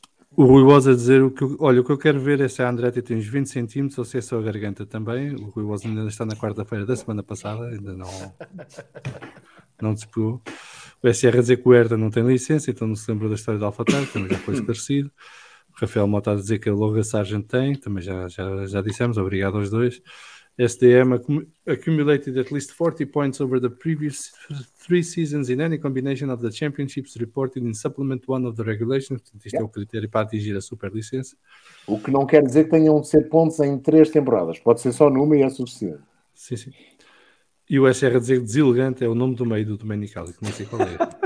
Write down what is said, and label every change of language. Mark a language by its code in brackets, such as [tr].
[pt] O Rui Bosa a dizer o que eu quero ver é se a Andretti tem uns 20 centímetros ou se é só a garganta também. O Rui Bosa ainda está na quarta-feira da semana passada, ainda não despegou. O SR a dizer que o Herta não tem licença, então não se lembra da história da AlphaTauri, também já foi esclarecido. O Rafael Mota a dizer que logo a Sargent tem, também já dissemos, obrigado aos dois. [en] SDM accumulated at least 40 points over the previous 3 seasons in any combination of the championships reported in supplement 1 of the regulations. [pt] Portanto, isto é o critério para atingir a superlicença. O que não quer dizer que tenham de ser pontos em 3 temporadas. Pode ser só numa e é suficiente. Sim, sim. E o SR dizer que deselegante é o nome do meio do Domenicali, que não sei qual é.